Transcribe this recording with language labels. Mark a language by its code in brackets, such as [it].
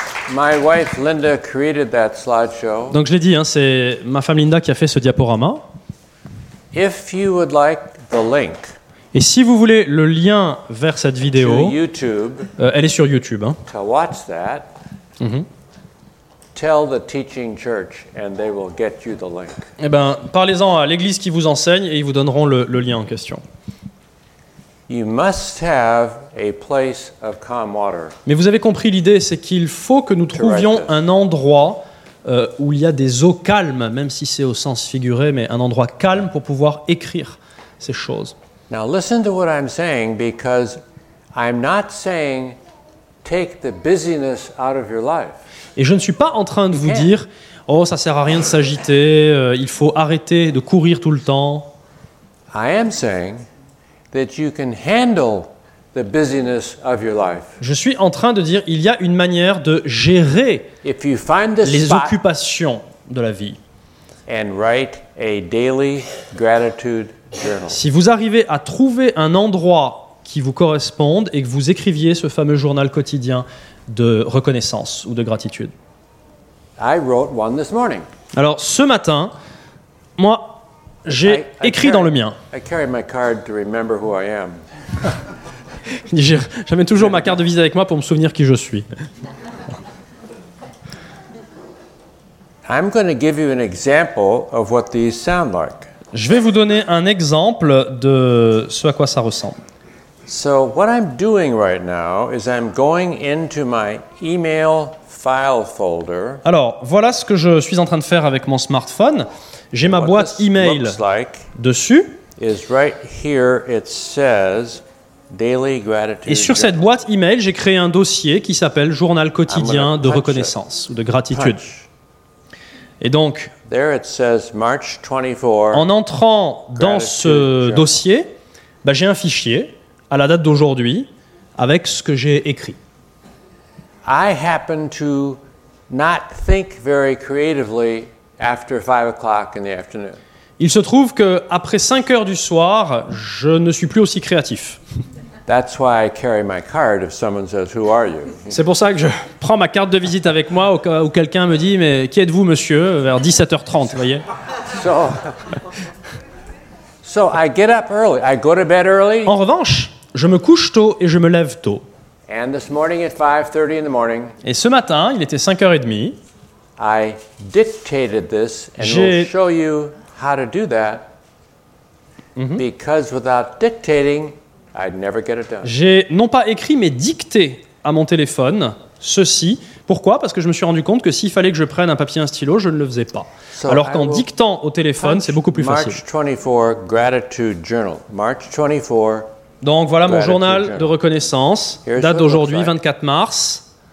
[en] My wife Linda created that slideshow. [fr] Donc je l'ai dit, hein, c'est ma femme Linda qui a fait ce diaporama. [en] If you would like the link. [fr] Et si vous voulez le lien vers cette vidéo, [en] to YouTube, [fr] elle est sur YouTube. Hein. [en] To watch that. Mm-hmm. Tell the teaching church and they will get you the link. [fr] Eh ben, parlez-en à l'église qui vous enseigne et ils vous donneront le lien en question. [en] You must have a place of calm water. [fr] Mais vous avez compris l'idée, c'est qu'il faut que nous trouvions un endroit où il y a des eaux calmes, même si c'est au sens figuré, mais un endroit calme pour pouvoir écrire ces choses. [en] Now listen to what I'm saying, because I'm not saying take the busyness out of your life. [fr] Et je ne suis pas en train de vous dire, oh, ça sert à rien de s'agiter, il faut arrêter de courir tout le temps. [en] I am saying that you can handle the busyness of your life. [fr] Je suis en train de dire qu'il y a une manière de gérer les occupations de la vie. [en] And write a daily gratitude journal. [fr] Si vous arrivez à trouver un endroit qui vous correspondent et que vous écriviez ce fameux journal quotidien de reconnaissance ou de gratitude. [en] I wrote one this morning. [fr] Alors, ce matin, moi, j'ai écrit dans le mien. [en] I carry my card to remember who I am. [fr] J'amène toujours ma carte de visite avec moi pour me souvenir qui je suis. [en] I'm going to give you an example of what these sound like. [fr] Je vais vous donner un exemple de ce à quoi ça ressemble. [en] So what I'm doing right now is I'm going into my email file folder. [fr] Alors, voilà ce que je suis en train de faire avec mon smartphone. J'ai ma boîte email dessus. [en] Is right here it says Daily gratitude. [fr] Et sur cette boîte email, j'ai créé un dossier qui s'appelle Journal quotidien de reconnaissance ou de gratitude. Et donc, [en] there it says March 24, [fr] en entrant dans ce dossier, bah, j'ai un fichier à la date d'aujourd'hui avec ce que j'ai écrit. [en] I happen to not think very creatively after 5 o'clock in the afternoon. [fr] Il se trouve que après 5 heures du soir, je ne suis plus aussi créatif. [en] That's why I carry my card if someone says who are you. [fr] C'est pour ça que je prends ma carte de visite avec moi au cas où quelqu'un me dit mais qui êtes-vous monsieur vers 17h30, vous voyez. [en] So I get up early. I go to bed early. [fr] En revanche, je me couche tôt et je me lève tôt. [en] And this morning at 5:30 in the morning. [fr] Et ce matin, il était 5h30. [en] I dictated this and we'll show you how to do that. Mm-hmm. Because without dictating, I'd never get it done. [fr] J'ai non pas écrit mais dicté à mon téléphone ceci. Pourquoi? Parce que je me suis rendu compte que s'il fallait que je prenne un papier et un stylo, je ne le faisais pas. So alors qu'en dictant au téléphone, c'est beaucoup plus [en] March [fr] facile. [en] 24, gratitude journal. March 24, [fr] donc voilà mon journal de reconnaissance, here's date d'aujourd'hui, 24 mars.